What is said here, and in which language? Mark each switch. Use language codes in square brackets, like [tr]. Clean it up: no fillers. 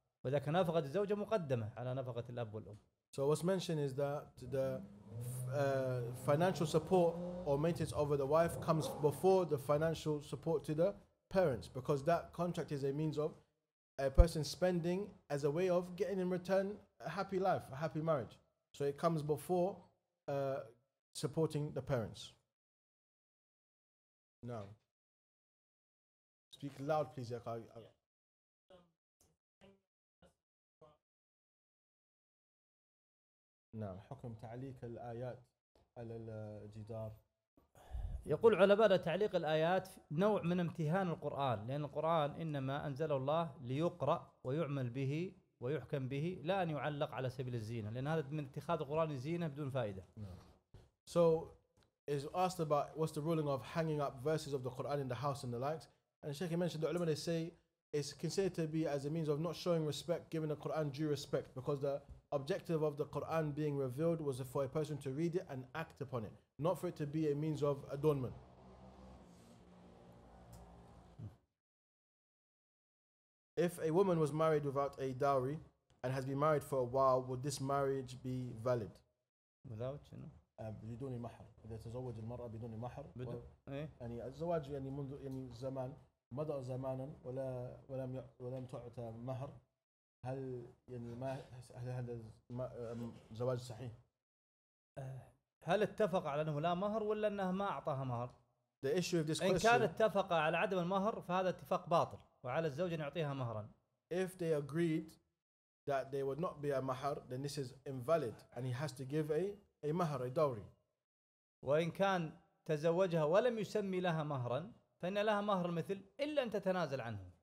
[ar] ولكن نفقة الزوجة مقدمة على نفقة الأب والأم. [en] So what's mentioned is that the financial support or maintenance over the wife comes before the financial support to the parents, because that contract is a means of a person spending as a way of getting in return a happy life, a happy marriage. So it comes before supporting the parents. Now, speak loud, please, Yaqai. [ar] نعم حكم تعليق الآيات على الجدار. يقول علماء تعليق الآيات نوع من امتهان القرآن، لأن القرآن إنما أنزله الله ليقرأ ويعمل به ويحكم به، لا أن يعلق على سبيل الزينة، لأن هذا من اتخاذ القرآن زينة بدون فائدة. [en] So is asked about what's the ruling of hanging up verses of the Quran in the house and the likes, and Sheikh mentioned the ulama they say it's considered to be as a means of not showing respect, giving the Quran due respect, because the objective of the Quran being revealed was for a person to read it and act upon it, not for it to be a means of adornment. If a woman was married without a dowry and has been married for a while, would this marriage be valid? Without, you know. [ar] بدون مهر إذا تزوج المرأة بدون مهر يعني الزواج يعني منذ يعني زمان مضى زمانا ولم تعطى مهر هل يعني ما هل هذا زواج صحيح هل اتفق على أنه لا مهر ولا أنه ما أعطاها مهر [en] the issue of this [ar] إن كان اتفق على عدم المهر فهذا اتفاق باطل وعلى الزوج أن يعطيها مهرا [en] if they agreed that they would not be a مهر then this is invalid and he has to give a مهر a dowry [ar] وإن كان تزوجها ولم يسمي لها مهرا فإن لها مهر مثل إلا أن تتنازل عنه